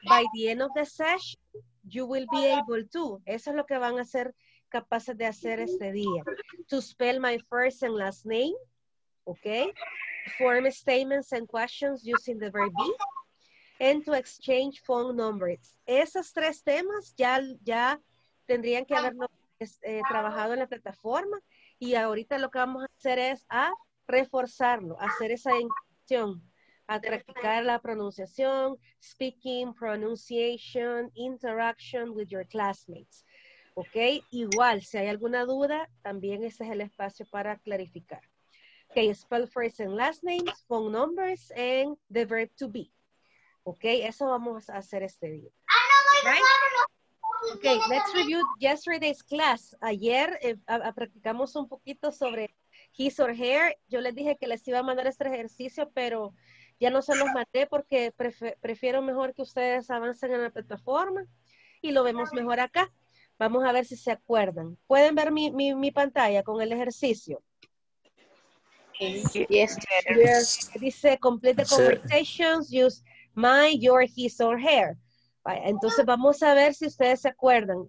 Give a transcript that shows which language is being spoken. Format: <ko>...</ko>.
<en>By the end of the session, you will be able to.</en> <es>Eso es lo que van a ser capaces de hacer este día.</es> <en>To spell my first and last name, okay? Form statements and questions using the verb be, and to exchange phone numbers.</en> <es>Esos tres temas ya tendrían que haberlo trabajado en la plataforma, y ahorita lo que vamos a hacer es a reforzarlo, hacer esa intención, a practicar la pronunciación,</es> <en>speaking, pronunciation, interaction with your classmates.</en> <es>Ok, igual, si hay alguna duda, también ese es el espacio para clarificar.</es> <en>Ok, spell first and last names, phone numbers, and the verb to be.</en> <es>Ok, eso vamos a hacer este día. Right?</es> <en>Ok, let's review yesterday's class.</en> <es>Ayer practicamos un poquito sobre</es> <en>his or her.</en> <es>Yo les dije que les iba a mandar este ejercicio, pero ya no se los mandé porque prefiero mejor que ustedes avancen en la plataforma y lo vemos mejor acá. Vamos a ver si se acuerdan. ¿Pueden ver mi pantalla con el ejercicio?</es> <en>Yes, yes.</en> <es>Dice,</es> <en>complete the conversations, use my, your, his or her.</en> <es>Entonces vamos a ver si ustedes se acuerdan.</es>